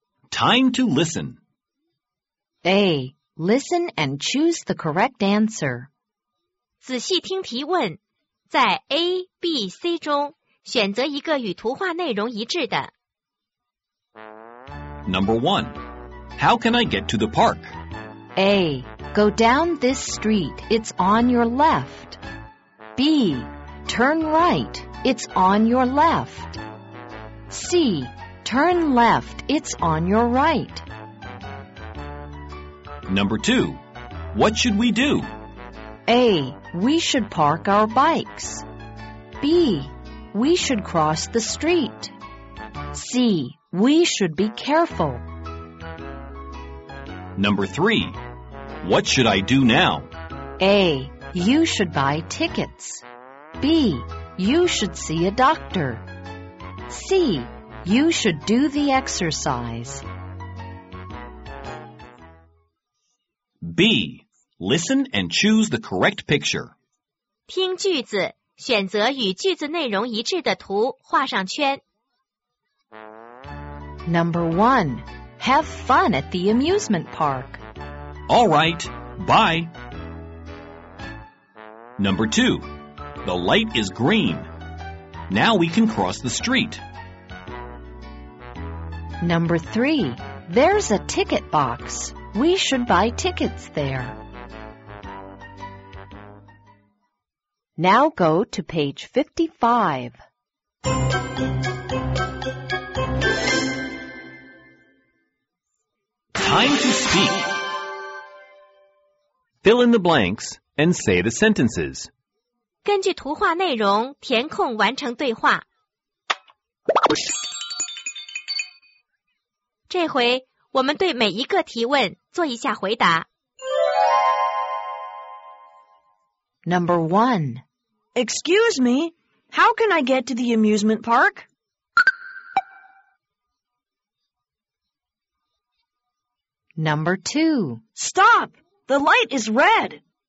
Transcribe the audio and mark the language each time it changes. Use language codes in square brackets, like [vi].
[en] Time to listen. A. Listen and choose the correct answer. [zh] 仔细听提问，在 A, B, C 中选择一个与图画内容一致的。 [en] Number one, how can I get to the park? A, go down this street, it's on your left. B, turn right, it's on your left. C, turn left, it's on your right. Number two, what should we do? A, we should park our bikes. B,We should cross the street. C. We should be careful. Number three. What should I do now? A. You should buy tickets. B. You should see a doctor. C. You should do the exercise. B. Listen and choose the correct picture. [zh] 听句子。选择与句子内容一致的图，画上圈。 [en] Number one, have fun at the amusement park. All right, bye. Number two, the light is green. Now we can cross the street. Number three, there's a ticket box. We should buy tickets there. Now go to page 55. Time to speak. Fill in the blanks and say the sentences. [zh] 根据图画内容填空完成对话。这回我们对每一个提问做一下回答。 [en] Number one. Excuse me, how can I get to the amusement park? Number two. Stop! The light is red.